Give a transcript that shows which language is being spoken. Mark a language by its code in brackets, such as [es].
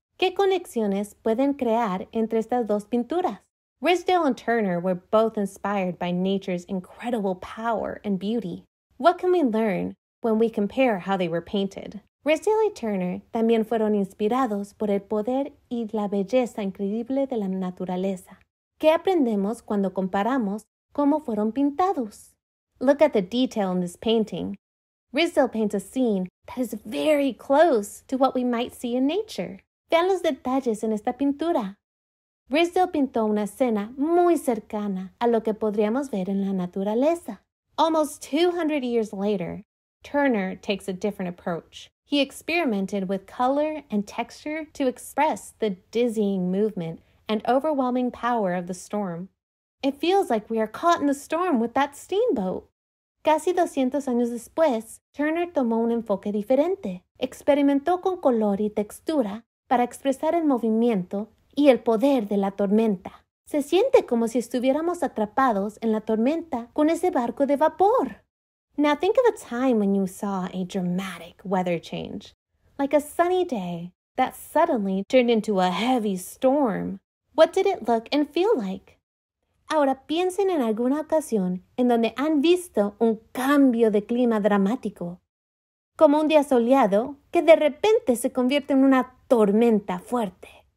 [es] ¿Qué conexiones pueden crear entre estas dos pinturas? [en] Riesdael and Turner were both inspired by nature's incredible power and beauty. What can we learn when we compare how they were painted? [es] Riesdael y Turner también fueron inspirados por el poder y la belleza increíble de la naturaleza. ¿Qué aprendemos cuando comparamos cómo fueron pintados? [en] Look at the detail in this painting. Riesdael paints a scene that is very close to what we might see in nature. [es] Vean los detalles en esta pintura. Riesdael pintó una escena muy cercana a lo que podríamos ver en la naturaleza. [en] Almost 200 years later, Turner takes a different approach. He experimented with color and texture to express the dizzying movement and overwhelming power of the storm. It feels like we are caught in the storm with that steamboat. [es] Casi 200 años después, Turner tomó un enfoque diferente. Experimentó con color y textura para expresar el movimiento y el poder de la tormenta. Se siente como si estuviéramos atrapados en la tormenta con ese barco de vapor. [en] Now think of a time when you saw a dramatic weather change, like a sunny day that suddenly turned into a heavy storm. What did it look and feel like? [es] Ahora piensen en alguna ocasión en donde han visto un cambio de clima dramático, como un día soleado que de repente se convierte en una tormenta fuerte.